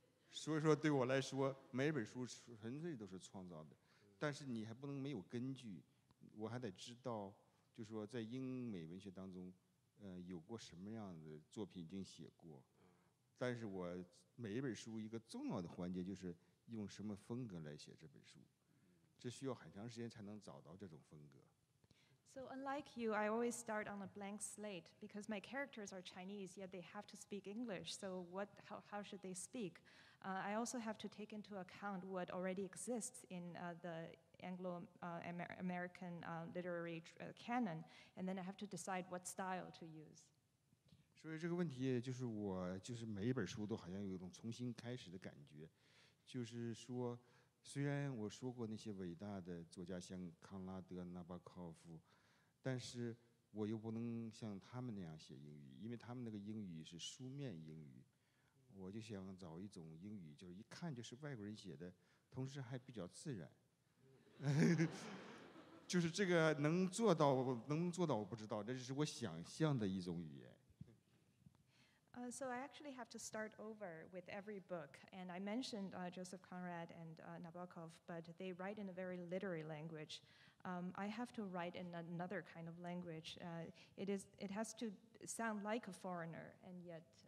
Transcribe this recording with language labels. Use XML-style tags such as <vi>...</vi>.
<zh>所以说对我来说每一本书纯粹都是创造的，但是你还不能没有根据，我还得知道就是说在英美文学当中有过什么样的作品已经写过，但是我每一本书一个重要的环节就是用什么风格来写这本书，这需要很长时间才能找到这种风格。</zh> <en>So unlike you, I always start on a blank slate because my characters are Chinese, yet they have to speak English. So how should they speak? I also have to take into account what already exists in the Anglo-American literary canon, and then I have to decide what style to use.</en> <zh>所以这个问题就是我就是每一本书都好像有一种重新开始的感觉，就是说虽然我说过那些伟大的作家像康拉德、纳巴科夫，但是我又不能像他们那样写英语，因为他们那个英语是书面英语，我就想找一种英语就是一看就是外国人写的，同时还比较自然。就是这个能做到我不知道，这是我想象的一种语言。</zh> <en>So I actually have to start over with every book, and I mentioned Joseph Conrad and Nabokov, but they write in a very literary language. I have to write in another kind of language. It has to sound like a foreigner, and yet</en>